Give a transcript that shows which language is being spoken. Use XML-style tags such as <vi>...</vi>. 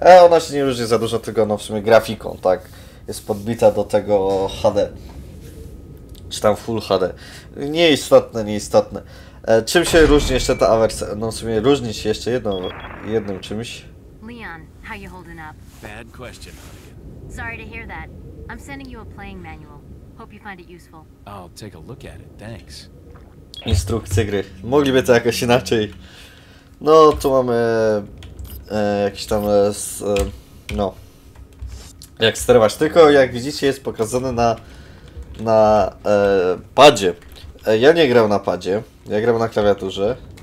<pl>Ona się nie różni za dużo tylko no, w sumie grafiką, tak? Jest podbita do tego HD. Czy tam Full HD. Nieistotne. Czym się różni jeszcze ta wersja? No w sumie różni się jeszcze jednym czymś.</pl> <en>Leon, how you holding up? Bad question, Hunnigan. Sorry to hear that. I'm sending you a playing manual. Hope you find it useful. I'll take a look at it, thanks.</en> <pl>Instrukcje gry. Mogliby to jakoś inaczej. No, tu mamy... jakiś tam... no. Jak sterować. Tylko, jak widzicie, jest pokazane na padzie. Ja nie gram na padzie. Ja gram na klawiaturze.</pl>